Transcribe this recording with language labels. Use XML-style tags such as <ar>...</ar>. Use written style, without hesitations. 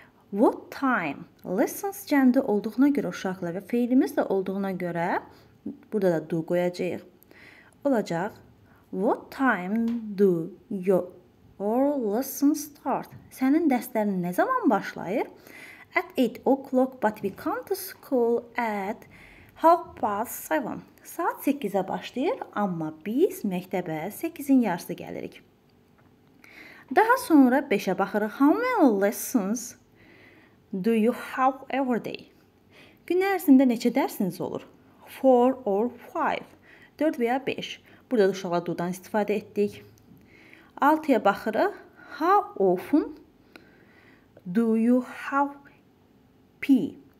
<en>What time?</en> <az>Lessons cəmdə olduğuna görə uşaqla və feilimiz də olduğuna görə burada da do qoyacaq. Olacaq.</az> <en>What time do your lessons start?</en> <az>Sənin dərslərin nə zaman başlayır?</az> <en>At 8 o'clock, but we come to school at 7:30.</en> <az>Saat 8-ə başlayır, amma biz məktəbə 8-in yarısı gəlirik. Daha sonra 5-ə baxırıq.</az> <en>How many lessons do you have every day?</en> <az>Gün ərzində neçə dərsiniz olur?</az> <en>4 or 5.</en> <az>4 və ya 5. Burada da uşaqlar do-dan istifadə etdik. 6-ya baxırıq.</az> <en>How often do you have PE?</en>